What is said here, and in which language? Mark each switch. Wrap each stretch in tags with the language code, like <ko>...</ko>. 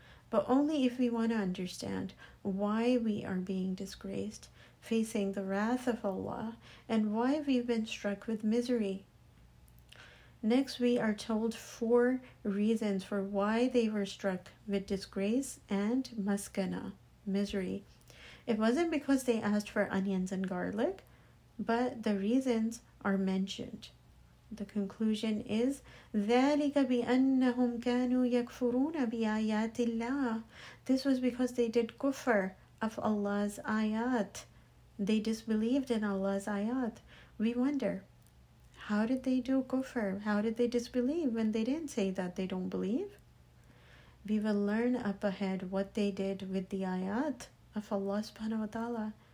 <en>But only if we want to understand why we are being disgraced, facing the wrath of Allah, and why we've been struck with misery. Next, we are told four reasons for why they were struck with disgrace and maskana, misery. It wasn't because they asked for onions and garlic, but the reasons are mentioned. The conclusion is,</en> <ar>ذَلِكَ بِأَنَّهُمْ كَانُوا يَكْفُرُونَ بِآيَاتِ اللَّهِ.</ar> <en>This was because they did kufr of Allah's ayat. They disbelieved in Allah's ayat. We wonder, how did they do kufr? How did they disbelieve when they didn't say that they don't believe? We will learn up ahead what they did with the ayat of Allah subhanahu wa ta'ala.</en>